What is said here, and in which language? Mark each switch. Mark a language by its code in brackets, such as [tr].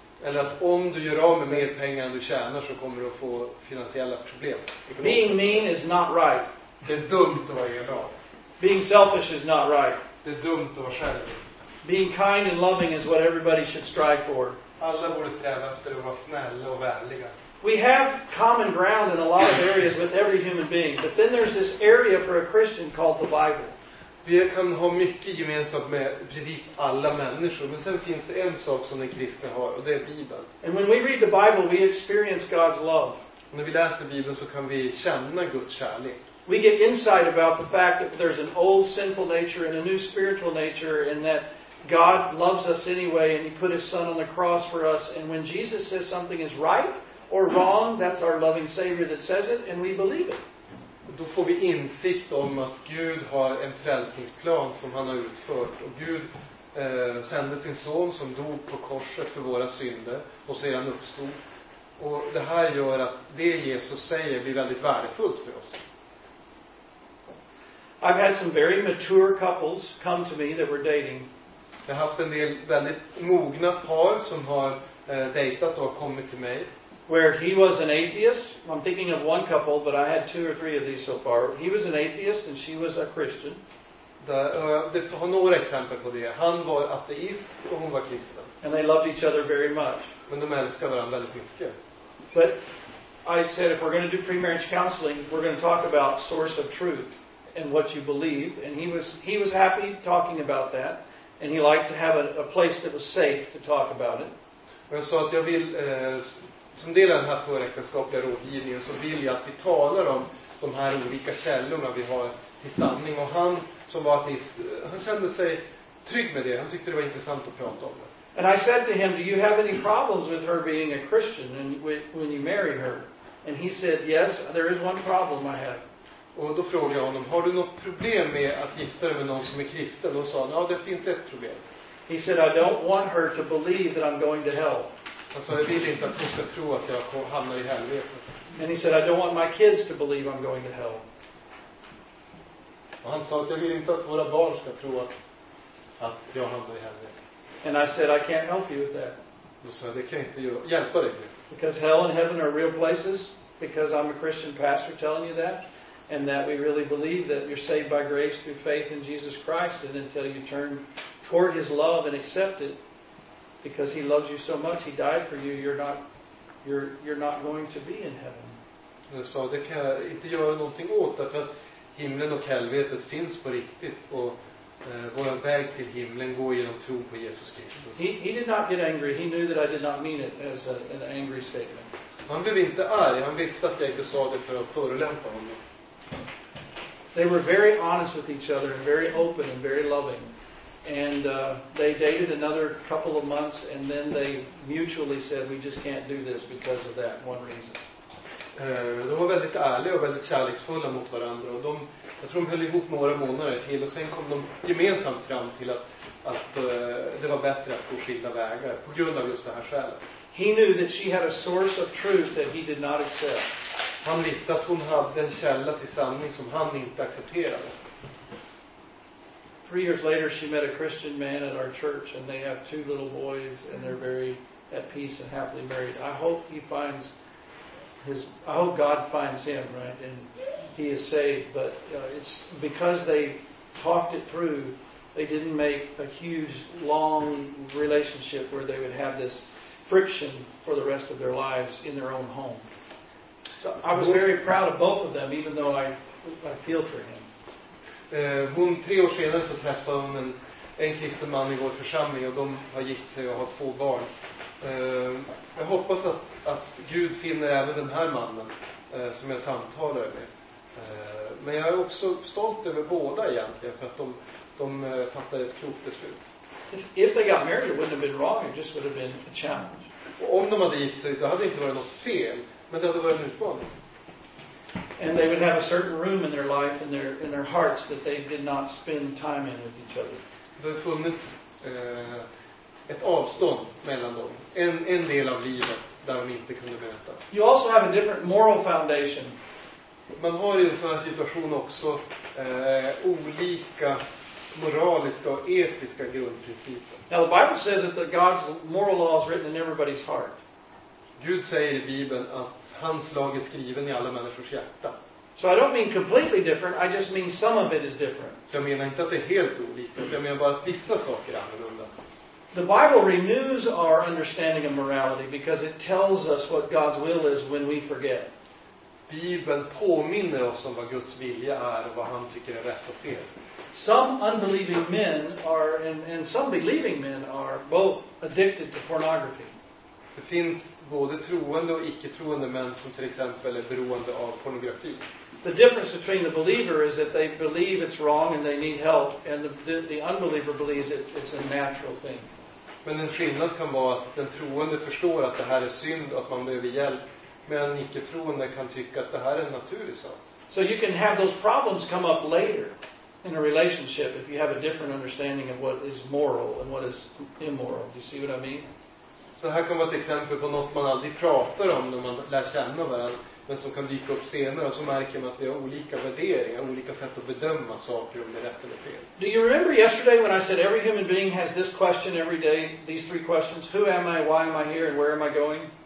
[sv] Eller att om du gör av med mer pengar än du tjänar så kommer du att få finansiella problem. [en] Being mean is not right. [sv] Det är dumt att vara elak. [en] Being selfish is not right. [sv] Det är dumt att vara självisk. [en] Being kind and loving is what everybody should strive for. [sv] Alla borde sträva efter att vara snälla och vänliga. [en] We have common ground in a lot of areas with every human being. But then there's this area for a Christian called the Bible. [sv] Vi kan ha mycket gemensamt med precis alla människor, men sen finns det en sak som den kristna har, och det är Bibeln. [en] And when we read the Bible, we experience God's love. [sv] När vi läser Bibeln så kan vi känna Guds kärlek. [en] We get insight about the fact that there's an old sinful nature and a new spiritual nature, and that God loves us anyway, and He put His Son on the cross for us. And when Jesus says something is right or wrong, that's our loving Savior that says it, and we believe it. [sv] Då får vi insikt om att Gud har en frälsningsplan som han har utfört. Och Gud sände sin son som dog på korset för våra synder och sedan uppstod. Och det här gör att det Jesus säger blir väldigt värdefullt för oss. [en] I've had some very mature couples come to me that were dating. [sv] Jag har haft en del väldigt mogna par som har dejtat och har kommit till mig. [en] Where he was an atheist. I'm thinking of one couple, but I had two or three of these so far. He was an atheist and she was a Christian. [sv] Det har några exempel på det. Han var ateist och hon var kristen. [en] And they loved each other very much. [sv] Men de älskar varandra väldigt mycket. [en] But I said, if we're going to do pre-marriage counseling, we're going to talk about source of truth and what you believe. And he was happy talking about that. And he liked to have a place that was safe to talk about it. [sv] Jag sa att jag vill... Som del av den här föräktenskapliga rådgivningen så vill jag att vi talar om de här olika källorna vi har till sanning. Och han som var ateist, han kände sig trygg med det. Han tyckte det var intressant att prata om det. [en] And I said to him, do you have any problems with her being a Christian when you marry her? And he said, yes, there is one problem I have. [sv] Och då frågade jag honom, har du något problem med att gifta dig med någon som är kristen? Och sa, ja, det finns ett problem. [en] He said, I don't want her to believe that I'm going to hell. [sv] Alltså, jag vill inte att hon ska tro att jag hamnar i helvetet. [en] And he said, I don't want my kids to believe I'm going to hell. [sv] Och han sa, jag vill inte att våra barn ska tro att jag hamnar i helvetet. [en] And I said, I can't help you with that. [sv] Så det kan inte hjälpa dig. [en] Because hell and heaven are real places, because I'm a Christian pastor telling you that, and that we really believe that you're saved by grace through faith in Jesus Christ, and until you turn toward his love and accept it, because he loves you so much, he died for you, you're not going to be in heaven. [sv] Så det kan inte göra någonting åt, därför att himlen och helvetet finns på riktigt, och vår väg till himlen går genom tro på Jesus Kristus. [en] He did not get angry. He knew that I did not mean it as an angry statement. [sv] Han blev inte arg. Han visste att jag inte sa det för att förolämpa honom. [en] They were very honest with each other and very open and very loving. And they dated another couple of months and then they mutually said we just can't do this because of that one reason. [sv] De var väldigt ärliga och väldigt kärleksfulla mot varandra, och jag tror de höll ihop några månader till, och sen kom de gemensamt fram till att det var bättre att gå skilda vägar på grund av just det här skälet. [en] He knew that she had a source of truth that he did not accept. [sv] Han visste att hon hade en källa till sanning som han inte accepterade. [en] 3 years later she met a Christian man at our church and they have 2 little boys and they're very at peace and happily married. I hope God finds him, right, and he is saved. But it's because they talked it through. They didn't make a huge, long relationship where they would have this friction for the rest of their lives in their own home. So I was very proud of both of them, even though I feel for him. [sv] Hon 3 år senare så träffade hon en kristen man i vår församling, och de har gift sig och har 2 barn. Jag hoppas att Gud finner även den här mannen som jag samtalar med. Men jag är också stolt över båda egentligen, för att de fattade ett klokt beslut. [en] If they got married, it wouldn't have been wrong, it just would have been a challenge. [sv] Och om de hade gift sig, då hade det inte varit något fel, men det hade varit en utmaning. [en] And they would have a certain room in their life and in their hearts that they did not spend time in with each other. [sv] Det funnits ett avstånd mellan dem, en del av livet där de inte kunde mötas. [en] You also have a different moral foundation. [sv] Man har ju en sån här situation också, olika moraliska och etiska grundprinciper. [en] Now the Bible says that God's moral law is written in everybody's heart. [sv] Gud säger i Bibeln att hans lag är skriven i alla människors hjärta. [en] So I don't mean completely different, I just mean some of it is different. [sv] Så jag menar inte att det är helt olika, jag menar bara att vissa saker är annorlunda. [en] The Bible renews our understanding of morality because it tells us what God's will is when we forget. [sv] Bibeln påminner oss om vad Guds vilja är och vad han tycker är rätt och fel. [en] Some unbelieving men are, and some believing men are, both addicted to pornography. [sv] Det finns både troende och icke-troende män som till exempel är beroende av pornografi. [en] The difference between the believer is that they believe it's wrong and they need help, and the unbeliever believes it's a natural thing. [sv] Men en skillnad kan vara att den troende förstår att det här är synd och att man behöver hjälp, medan icke-troende kan tycka att det här är en naturlig sak. [en] So you can have those problems come up later in a relationship if you have a different understanding of what is moral and what is immoral. Do you see what I mean? [sv] Så här kan vara ett exempel på något man aldrig pratar om när man lär känna varandra, men som kan dyka upp senare, och så märker man att vi har olika värderingar, olika sätt att bedöma saker om det är rätt eller fel. [en] Do you remember yesterday when I said every human being has this question every day, these 3 questions? Who am I, why am I here, and where am I going?